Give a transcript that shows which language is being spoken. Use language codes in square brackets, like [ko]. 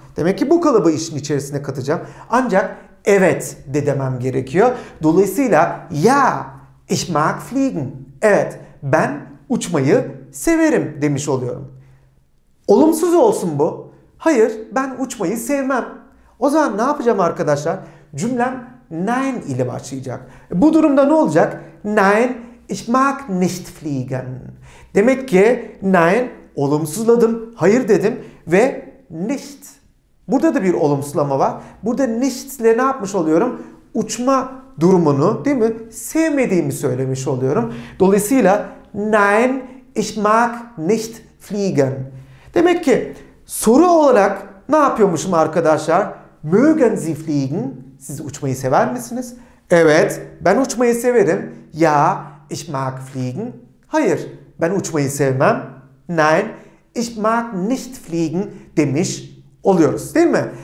[tr] Demek ki bu kalıbı işin içerisine katacağım. Ancak evet de demem gerekiyor. Dolayısıyla [de] ja, ich mag fliegen. [tr] Evet, ben uçmayı severim demiş oluyorum. Olumsuz olsun bu. Hayır, ben uçmayı sevmem. O zaman ne yapacağım arkadaşlar? Cümlem nein ile başlayacak. Bu durumda ne olacak? [de] Nein, ich mag nicht fliegen. [tr] Demek ki nein, olumsuzladım, hayır dedim ve nicht. Burada da bir olumsuzlama var. Burada nicht ile ne yapmış oluyorum? Uçma durumunu, değil mi? Sevmediğimi söylemiş oluyorum. [de] Dolayısıyla nein, ich mag nicht fliegen. [tr] Demek ki soru olarak ne yapıyormuşum arkadaşlar? [de] Mögen Sie fliegen? [tr] Siz uçmayı sever misiniz? Evet, ben uçmayı severim. [de] Ja, ich mag fliegen. [tr] Hayır, ben uçmayı sevmem. [de] Nein, ich mag nicht fliegen [tr] demiş oluyoruz, değil mi?